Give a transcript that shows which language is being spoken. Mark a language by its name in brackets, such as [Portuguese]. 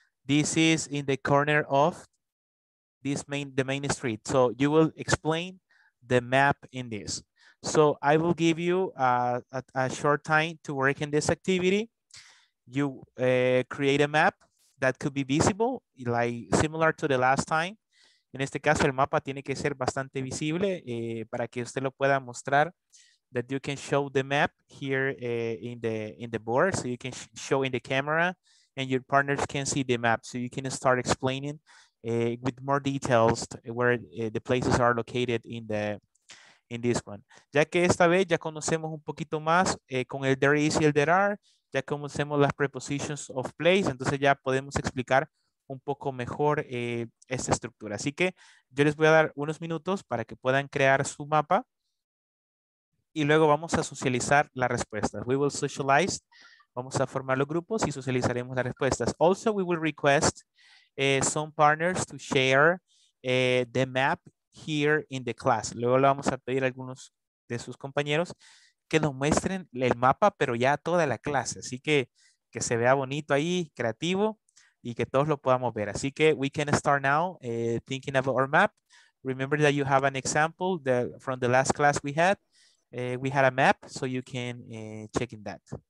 [English] This is in the corner of the main street. So you will explain the map in this. So I will give you a short time to work in this activity. You create a map that could be visible, like similar to the last time. [Spanish] En este caso, el mapa tiene que ser bastante visible para que usted lo pueda mostrar. [English] That you can show the map here in the board, so you can show in the camera. And your partners can see the map, so you can start explaining with more details where the places are located in this one. [Spanish] Ya que esta vez ya conocemos un poquito más con el there is y el there are, ya conocemos las prepositions of place, entonces ya podemos explicar un poco mejor esta estructura. Así que yo les voy a dar unos minutos para que puedan crear su mapa y luego vamos a socializar las respuestas. [English] We will socialize. [Spanish] Vamos a formar los grupos y socializaremos las respuestas. [English] Also, we will request some partners to share the map here in the class. [Spanish] Luego le vamos a pedir a algunos de sus compañeros que nos muestren el mapa, pero ya toda la clase. Así que se vea bonito ahí, creativo, y que todos lo podamos ver. Así que [English] we can start now thinking of our map. Remember that you have an example from the last class we had. We had a map, so you can check in that.